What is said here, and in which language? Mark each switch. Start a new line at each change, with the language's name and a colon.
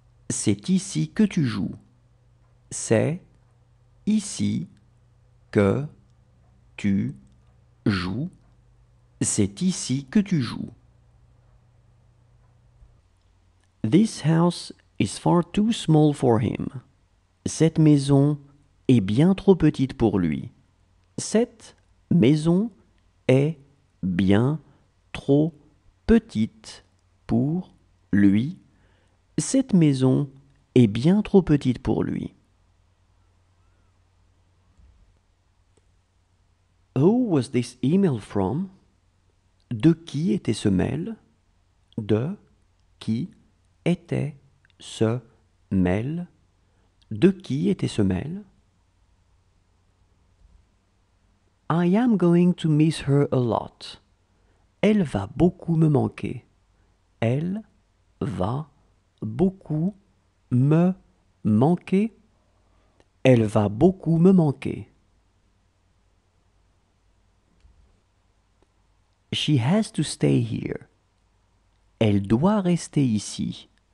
French: C'est ici que tu joues. C'est ici que tu joues. C'est ici que tu joues.
English: This house is far too small for him.
French: Cette maison est bien trop petite pour lui. Cette maison est bien trop petite pour lui. Cette maison est bien trop petite pour lui.
English: Who was this email from?
French: De qui était ce mail? De qui était ce mail? De qui était ce mail?
English: I am going to miss her a lot.
French: Elle va beaucoup me manquer. Elle va beaucoup me manquer. Elle va beaucoup me manquer.
English: She has to stay here.
French: Elle doit rester ici.